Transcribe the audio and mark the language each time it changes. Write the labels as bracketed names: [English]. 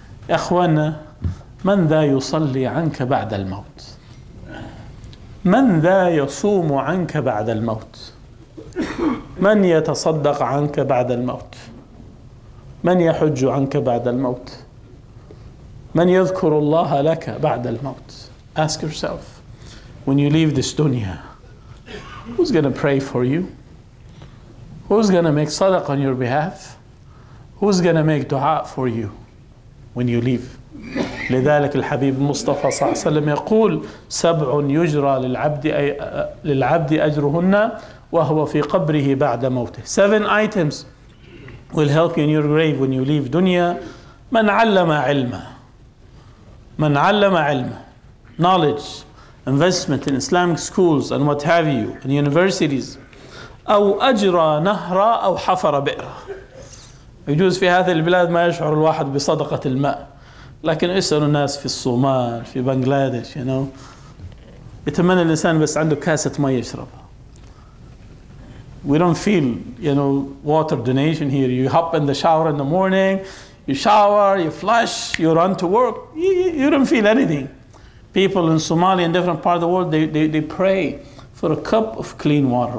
[Arabic] يا أخوانا من ذا يصلي عنك بعد الموت؟ من ذا يصوم عنك بعد الموت؟ من يتصدق عنك بعد الموت؟ من يحج عنك بعد الموت؟ من يذكر الله لك بعد الموت؟ [English] Ask yourself, when you leave this dunya, who's going to pray for you? Who's going to make sadaqah on your behalf? Who's going to make dua for you when you leave? [Arabic] لذلك الحبيب مصطفى صلى الله عليه وسلم يقول سبع يجرى للعبد أجرهن وهو في قبره بعد موته. [English] Seven items will help you in your grave when you leave dunya. [Arabic] من علم علما. من علم علما. [English] Knowledge, investment in Islamic schools and what have you, and universities. [Arabic] أو أجرى نهرا أو حفر بئرا. يجوز في هذه البلاد ما يشعر الواحد بصدقة الماء، لكن اسألوا الناس في الصومال في بنغلاديش، you know يتمنى الإنسان بس عنده كاسة ماء يشربها. [English] We don't feel, you know, water donation here. You hop in the shower in the morning, you shower, you flush, you run to work. You don't feel anything. People in Somalia and different parts of the world, they pray for a cup of clean water.